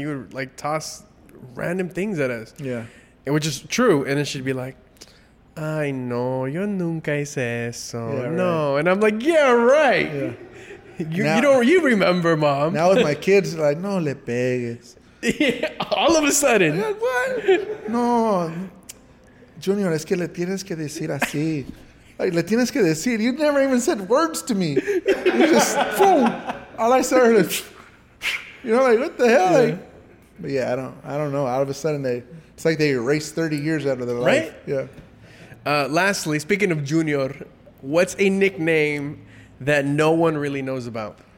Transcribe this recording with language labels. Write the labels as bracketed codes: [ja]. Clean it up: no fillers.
[en] You would, like, toss random things at us. Yeah. Which is true, and then she'd be like, I know, [es] yo nunca hice eso. [en] Yeah, no. Right. And I'm like, yeah, right. Yeah. You remember, mom. Now with my kids, they're like, [es] no le pegues. [en] All of a sudden. Like, what? No. [es] Junior, es que le tienes que decir así. Like, le tienes que decir. [en] You never even said words to me. You just, boom. All I started is, you know, like, what the hell? Yeah. Like, but yeah, I don't know. All of a sudden, it's like they erased 30 years out of their life. Right? Yeah. Lastly, speaking of Junior, what's a nickname that no one really knows about?